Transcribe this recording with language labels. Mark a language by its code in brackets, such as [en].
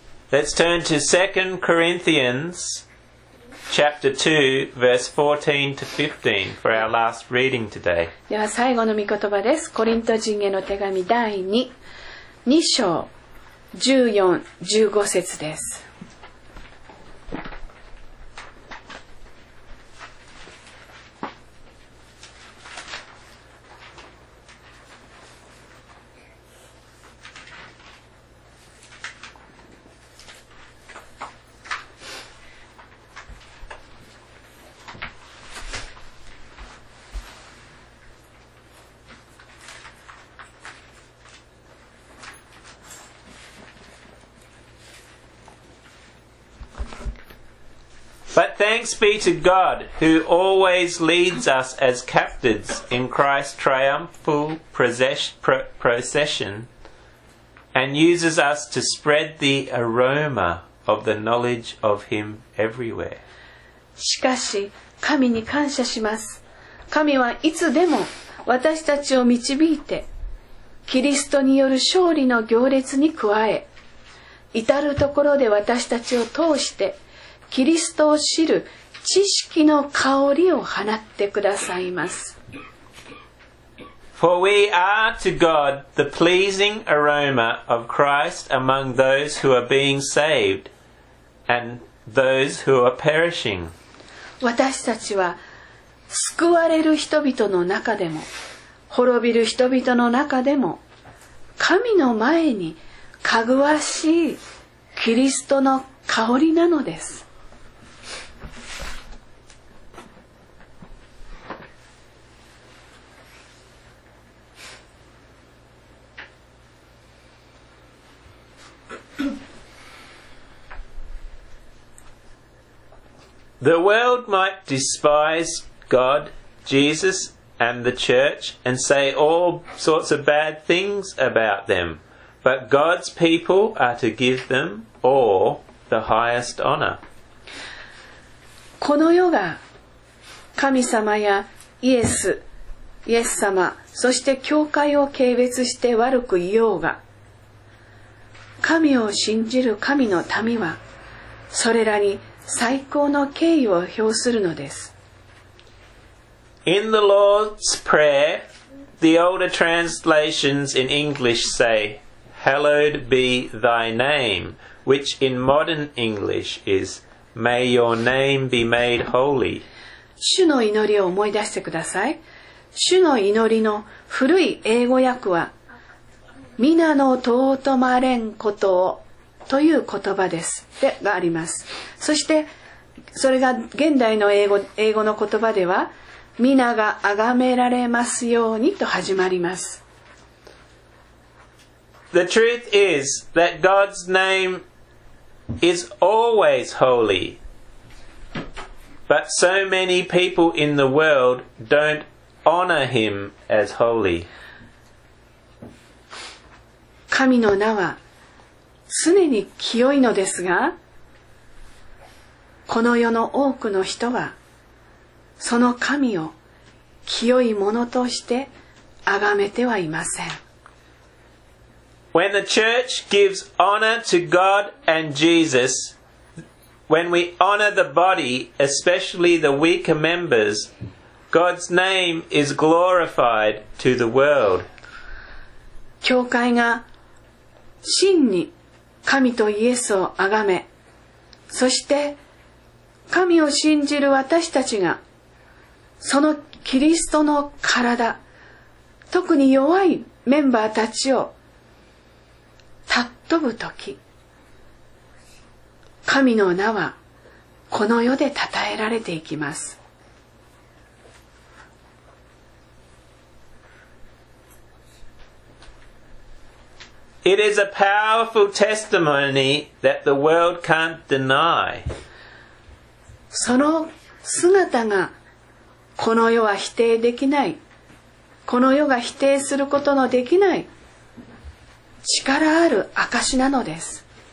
[en] Let's turn to 2 Corinthians. Chapter 2, verse 14 to 15 for our last reading today. [ja] では最後の御言葉です。コリント人への手紙第2章14、15節です。 [en] Thanks be to God who always leads us as captives in Christ's triumphal procession and uses us to spread the aroma of the knowledge of Him everywhere. [ja] しかし、神に感謝します。神はいつでも私たちを導いて、キリストによる勝利の行列に加え、至るところで私たちを通して、キリストを知る知識の香りを放ってくださいます。 [en] For we are to God the pleasing aroma of Christ among those who are being saved and those who are perishing. [ja] 私たちは救われる人々の中でも、滅びる人々の中でも、神の前にかぐわしいキリストの香りなのです。 [en] The world might despise God, Jesus, and the church and say all sorts of bad things about them, but God's people are to give them all the highest honor. [ja] この世が神様やイエス様、そして教会を軽蔑して悪く言おうが、神を信じる神の民はそれらに最高の敬意を表するのです。 [en] In the Lord's Prayer, the older translations in English say, Hallowed be thy name, which in modern English is, May your name be made holy. [ja] 主の祈りを思い出してください。主の祈りの古い英語訳は、皆の尊まれんことをという言葉ですでがあります。そしてそれが現代の英語の言葉では皆が崇められますようにと始まります。 [en] The truth is that God's name is always holy, but so many people in the world don't honor him as holy. [ja] 神の名は常に清いのですが、この世の多くの人はその神を清いものとして崇めてはいません。 [en] When the church gives honor to God and Jesus, when we honor the body, especially the weaker members, God's name is glorified to the world. [ja] 教会が真に神とイエスを崇め、そして神を信じる私たちが、そのキリストの体、特に弱いメンバーたちを尊ぶとき、神の名はこの世で讃えられていきます。 [en] It is a powerful testimony that the world can't deny. [ja] その姿がこの世は否定できない、この世が否定することのできない力ある証なのです。